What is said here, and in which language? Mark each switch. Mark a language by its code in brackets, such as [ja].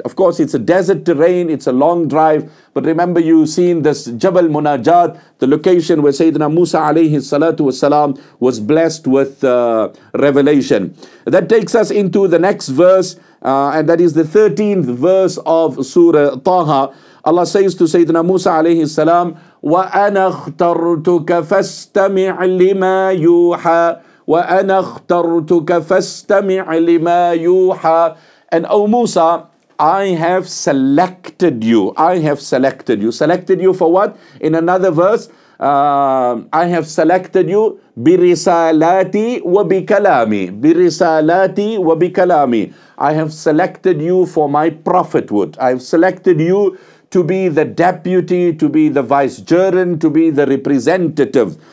[en] Of course, it's a desert terrain, it's a long drive, but remember, you've seen this Jabal Munajat, the location where Sayyidina Musa alayhi salatu wasalam was blessed with revelation. That takes us into the next verse, and that is the 13th verse of Surah Taha. Allah says to Sayyidina Musa alayhi salam, [ar] وَأَنَا اخْتَرْتُكَ فَاسْتَمِعْ لِمَا يُوحَى وَأَنَا اخْتَرْتُكَ فَاسْتَمِعْ لِمَا يُوحَى. [en] And O Musa, I have selected you. I have selected you. Selected you for what? In another verse, I have selected you [ar] بِرِسَالَاتِي وَبِكَلَامِي. بِرِسَالَاتِي وَبِكَلَامِي. [en] I have selected you for my prophethood. I have selected you to be the deputy, to be the vicegerent, to be the representative.